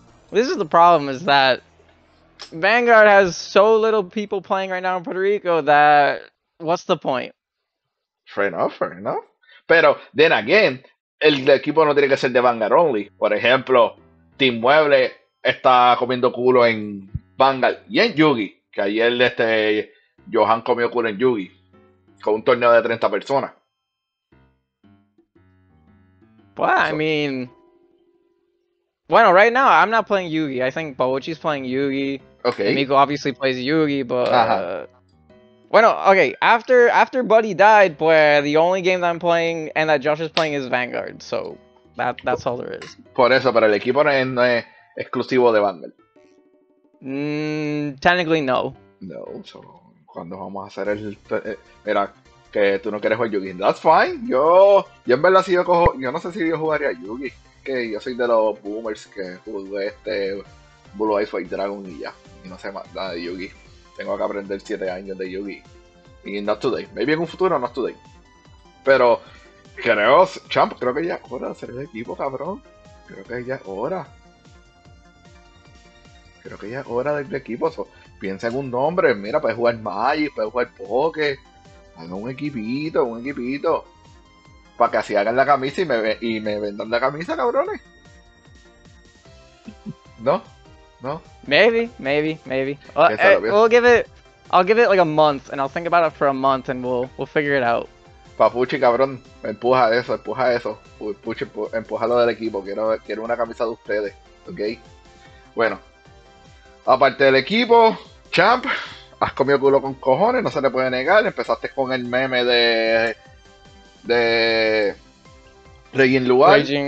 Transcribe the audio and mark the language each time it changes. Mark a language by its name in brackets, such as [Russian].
[English] This is the problem, is that... Vanguard has so little people playing right now in Puerto Rico that... What's the point? Fair enough, fair enough. Pero, then again... [Spanish] el equipo no tiene que ser de Vanguard only. Por ejemplo, Team Mueble está comiendo culo en Vanguard y en Yugi, que ayer Johan comió culo en Yugi, con un torneo de 30 personas. [English] Well, I mean, bueno, right now I'm not playing Yugi. I think Bawuchi's playing Yugi. Emiko obviously plays Yugi, but bueno, okay, after Buddy died, pues the only game that I'm playing and that Josh is playing is Vanguard, so that's all there is. [Spanish] Por eso, pero el equipo no es exclusivo de Vanguard. [English] Technically no. [Spanish] No, so, cuando vamos a hacer mira, que tú no quieres jugar Yugi. [English] That's fine. [Spanish] Yo en verdad, si yo cojo. Yo no sé si yo jugaría Yugi. Que yo soy de los boomers que jugué Blue Eyes White Dragon y ya. Y no sé más nada de Yugi. Tengo que aprender 7 años de Yugi. Y [English] not today. [Spanish] Maybe en un futuro, [English] not today. [Spanish] Pero creo, champ, creo que ya es hora de hacer el equipo, cabrón. Creo que ya es hora. Creo que ya es hora del equipo. So, piensa en un nombre. Mira, puedes jugar Magic, puedes jugar Poké. Hagan un equipito. Para que así hagan la camisa y me vendan la camisa, cabrones. ¿No? ¿No? [English] Maybe, maybe, maybe. [Spanish] Piénsalo, piénsalo. [English] I'll give it like a month, and I'll think about it for a month, and we'll figure it out. [Spanish] Papuchi, cabrón, empuja eso, empuja eso. Papuchi, empuja lo del equipo. Quiero una camisa de ustedes, ¿ok? Bueno, aparte del equipo, champ, has comido culo con cojones, no se le puede negar. Empezaste con el meme de Regin Luar.